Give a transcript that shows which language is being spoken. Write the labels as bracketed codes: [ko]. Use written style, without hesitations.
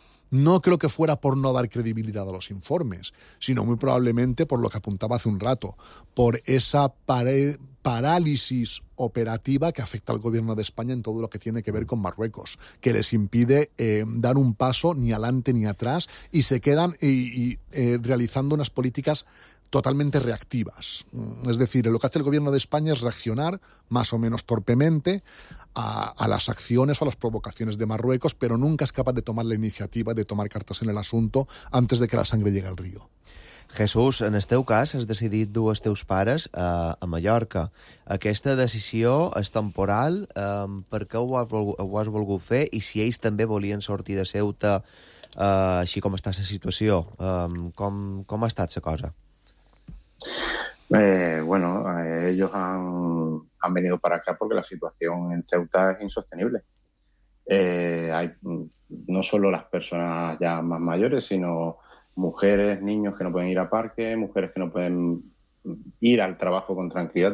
[es] No creo que fuera por no dar credibilidad a los informes, sino muy probablemente por lo que apuntaba hace un rato, por esa parálisis operativa que afecta al gobierno de España en todo lo que tiene que ver con Marruecos, que les impide dar un paso ni adelante ni atrás y se quedan realizando unas políticas totalmente reactivas. Es decir, lo que hace el gobierno de España es reaccionar más o menos torpemente a las acciones o a las provocaciones de Marruecos, pero nunca es capaz de tomar la iniciativa, de tomar cartas en el asunto antes de que la sangre llegue al río. [ca] Jesús, en el teu cas has decidit dur els teus pares a Mallorca. Aquesta decisió és temporal, per què ho has volgut fer i si ells també volien sortir de Ceuta, així com està la situació? Com ha estat la cosa? [es] Ellos han venido para acá porque la situación en Ceuta es insostenible. Hay no solo las personas ya más mayores, sino mujeres, niños que no pueden ir a parque, mujeres que no pueden ir al trabajo con tranquilidad.